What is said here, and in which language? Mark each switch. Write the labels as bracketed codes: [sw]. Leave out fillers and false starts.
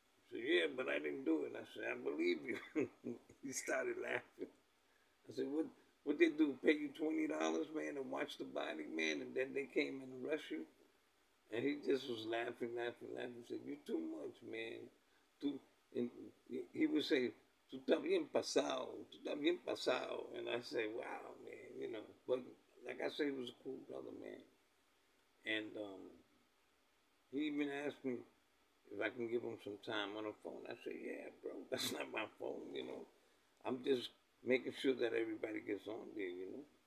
[en] He said, yeah, but I didn't do it. I said, I believe you. He started laughing. I said, what they do, pay you $20, man, and watch the body, man, and then they came and arrest you? And he just was laughing. He said, you're too much, man. And he would say, [es] tú estás bien pasado, tú estás bien pasado. [en] And I say, wow, man, you know. But like I said, he was a cool brother, man. And he even asked me if I can give him some time on the phone. I said, yeah, bro, that's not my phone, you know. I'm just making sure that everybody gets on there, you know.